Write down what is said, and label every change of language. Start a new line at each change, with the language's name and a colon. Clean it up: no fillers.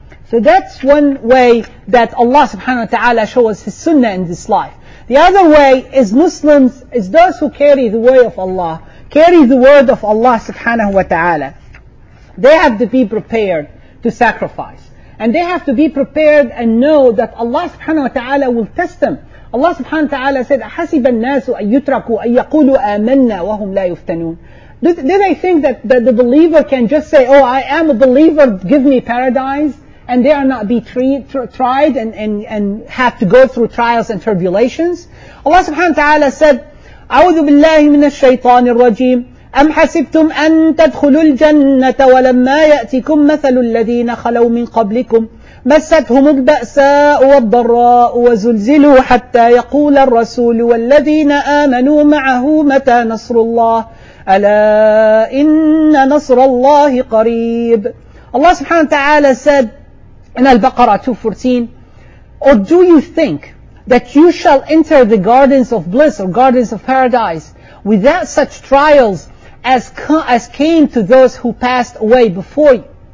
English: So that's one way that Allah subhanahu wa ta'ala shows us His sunnah in this life. The other way is Muslims, is those who carry the way of Allah, carry the word of Allah subhanahu wa ta'ala. They have to be prepared to sacrifice. And they have to be prepared and know that Allah subhanahu wa ta'ala will test them. Allah subhanahu wa ta'ala said,
Arabic: أَحَسِبَ النَّاسُ أَن يُتْرَكُوا أَن يَقُولُوا آمَنَّا وَهُمْ لَا يُفْتَنُونَ.
English: Do they think that the believer can just say, oh, I am a believer, give me paradise, and they are not be tried and have to go through trials and tribulations? Allah subhanahu wa ta'ala said,
Arabic: أعوذ بالله من الشيطان الرجيم أم حسبتم أن تدخلوا الجنة ولما يأتكم مثل الذين خلوا من قبلكم مستهم البأساء والضراء وزلزلوا حتى يقول الرسول والذين آمنوا معه متى نصر الله ألا إن نصر الله قريب.
English: Allah subhanahu wa ta'ala said, in Al-Baqarah 2:14, or do you think that you shall enter the gardens of bliss or gardens of paradise without such trials as came to those who passed away before you?